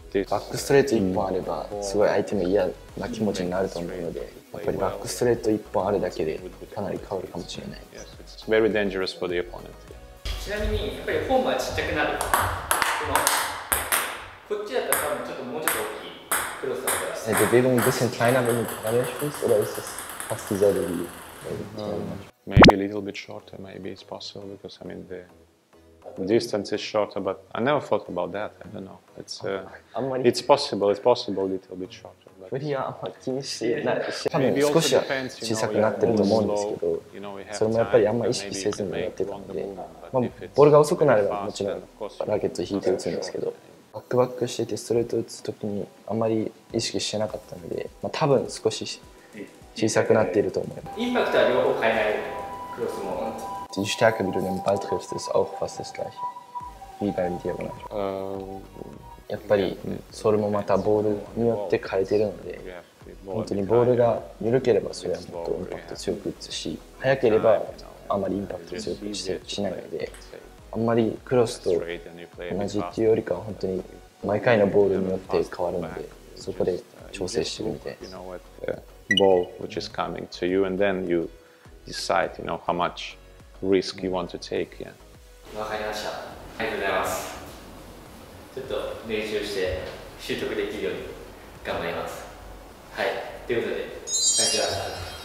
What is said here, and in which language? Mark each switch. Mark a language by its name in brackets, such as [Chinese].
[Japanese] バックストレート1本あればすごい相手も嫌な気持ちになると思うので、やっぱりバックストレート1本あるだけでかなり変わるかもしれないです。 [English] Very dangerous for the opponent. [Japanese] ちなみにやっぱりフォームはちっちゃくなる。こっちだったら多分ちょっともうちょっと大きいクロスだったら。 [German] え、Bewegung ein bisschen kleiner, wenn du gerade spielst, oder ist das fast dieselbe wie? [English] Maybe a little bit shorter, maybe it's possible, because I mean the distance is shorter, but I never thought about that, I don't know. It's possible, a little bit shorter. [Japanese] 無理はあんまり気にしてない。多分少しは小さくなってると思うんですけど、それもやっぱりあんまり意識せずにやってたんで、まあ、ボールが遅くなればもちろんラケット引いて打つんですけど、バックバックしててストレート打つときにあんまり意識してなかったので、まあ、多分少し小さくなっていると思います。インパクトは両方変えない。クロスも。 [German] Die Stärke, wie du den Ball triffst, ist auch fast das gleiche wie beim Diagonal. [Japanese] やっぱりそれもまたボールによって変えてるので、本当にボールが緩ければそれはもっとインパクト強く打つし、速ければあまりインパクト強くしないので、あんまりクロスと同じっていうよりかは本当に毎回のボールによって変わるので、そこで調整してるみたいです。 [English] Ball which is coming to you and then you decide, you know, how much risk you want to take. [Japanese] わかりました。ありがとうございます。ちょっと練習して習得できるように頑張ります。はい、ということで、ありがとうございました。